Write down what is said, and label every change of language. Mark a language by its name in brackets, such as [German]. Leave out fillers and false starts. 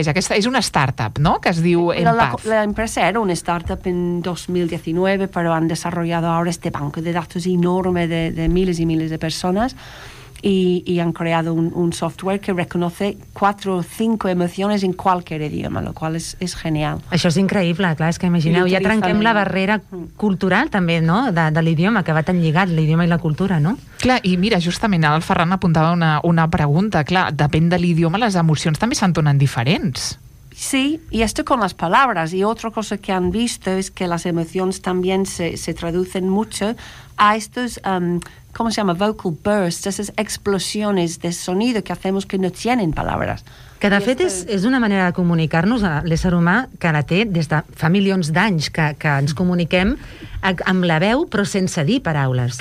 [Catalan] Aquesta es una startup, ¿no?, que es diu Empath. [Spanish] La empresa era una startup en 2019, pero han desarrollado ahora este banco de datos enorme de miles y miles de personas. Y han creado un software que reconoce 4 o 5 emociones en cualquier idioma, lo cual es genial. [Catalan] Això és increïble, clar, és que imagineu, ja trenquem la barrera cultural també, no?, de l'idioma, que va tan lligat, l'idioma i la cultura, no? Clar, i mira, justament el Ferran apuntava una pregunta, clar, depèn de l'idioma, les emocions també s'entonen diferents. [Spanish] Sí, y esto con las palabras. Y otra cosa que han visto es que las emociones también se traducen mucho a estos, ¿cómo se llama?, vocal bursts, esas explosiones de sonido que hacemos que no tienen palabras. [Catalan] Que de fet és una manera de comunicar-nos, l'ésser humà, que la té des de fa milions d'anys que ens comuniquem amb la veu, però sense dir paraules.